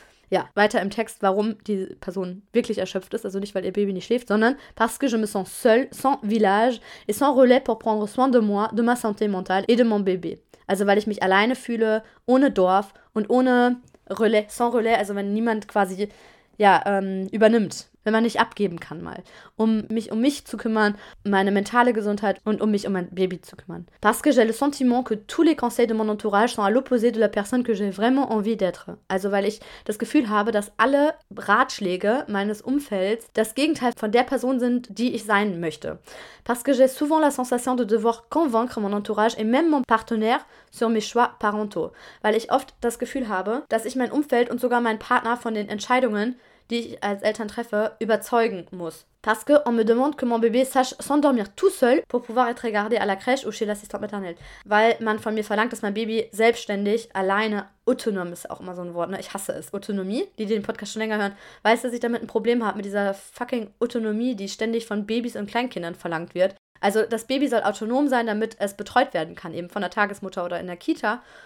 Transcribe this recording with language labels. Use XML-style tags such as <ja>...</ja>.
<de>Ja, weiter im Text, warum die Person wirklich erschöpft ist, also nicht, weil ihr Baby nicht schläft, sondern</de> <fr>parce que je me sens seule, sans village et sans relais pour prendre soin de moi, de ma santé mentale et de mon bébé.</fr> <de>Also weil ich mich alleine fühle, ohne Dorf und ohne Relais,</de> <fr>sans Relais,</fr> <de>also wenn niemand quasi, ja, übernimmt, wenn man nicht abgeben kann mal, um mich zu kümmern, meine mentale Gesundheit und um mich um mein Baby zu kümmern.</de> <fr>Parce que j'ai le sentiment que tous les conseils de mon entourage sont à l'opposé de la personne que j'ai vraiment envie d'être.</fr> <de>Also weil ich das Gefühl habe, dass alle Ratschläge meines Umfelds das Gegenteil von der Person sind, die ich sein möchte.</de> <fr>Parce que j'ai souvent la sensation de devoir convaincre mon entourage et même mon partenaire sur mes choix parentaux.</fr> <de>Weil ich oft das Gefühl habe, dass ich mein Umfeld und sogar meinen Partner von den Entscheidungen, die ich als Eltern treffe, überzeugen muss.</de> <fr>Parce que on me demande que mon bébé sache s'endormir tout seul pour pouvoir être regardé à la crèche ou chez l'assistante maternelle.</fr> <de>Weil man von mir verlangt, dass mein Baby selbstständig, alleine, autonom ist auch immer so ein Wort, ne? Ich hasse es. Autonomie, die den Podcast schon länger hören, weiß, dass ich damit ein Problem habe, mit dieser fucking Autonomie, die ständig von Babys und Kleinkindern verlangt wird. Also das Baby soll autonom sein, damit es betreut werden kann, eben von der Tagesmutter oder in der Kita.</de>